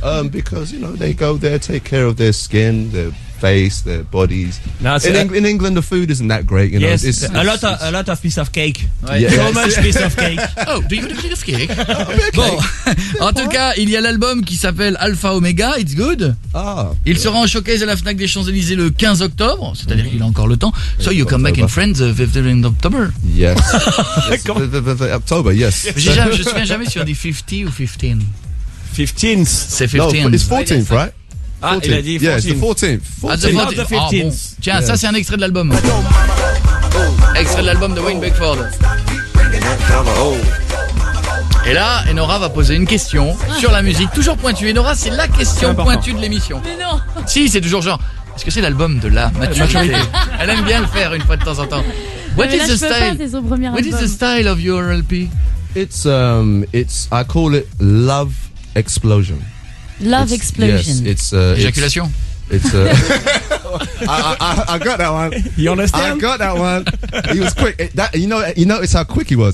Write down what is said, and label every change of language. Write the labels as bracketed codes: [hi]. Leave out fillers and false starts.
[en] Because, you know, they go there, take care of their skin, their face, their bodies. In England, the food isn't that great, you know. Yes, a lot of piece of cake. Yeah. Yeah. So much piece of cake. Oh, do you have a piece of cake? [fr] Bon, en tout cas, il y a l'album qui s'appelle Alpha Omega, It's Good. Ah. Il sera en showcase à la Fnac des Champs-Élysées le 15 octobre, c'est-à-dire qu'il a encore le temps. [en] So you come back in France the 15th of October? Yes. October, yes. [fr] Je ne me souviens jamais si on dit 50 ou 15. [en] 15th. [fr] C'est 15th. [en] No, it's 14th, right? Right? Ah, 14. [fr] Il a dit [en] Yes, [fr] 14. Ah, bon. Tiens, yes. Ça c'est un extrait de l'album. Extrait de l'album de Wayne Beckford. Et là, Enora va poser une question sur la musique, toujours pointue. Enora, c'est la question pointue de l'émission. Mais non. Si, c'est toujours genre, est-ce que c'est l'album de la maturité? Elle aime bien le faire une fois de temps en temps. [en] What is the style? [fr] C'est son premier [en] album. What is the style of your LP? It's I call it Love Explosion. Love it's, explosion. Yes, it's ejaculation. I got that one. You understand? I got that one. He was quick. You notice how quick he was.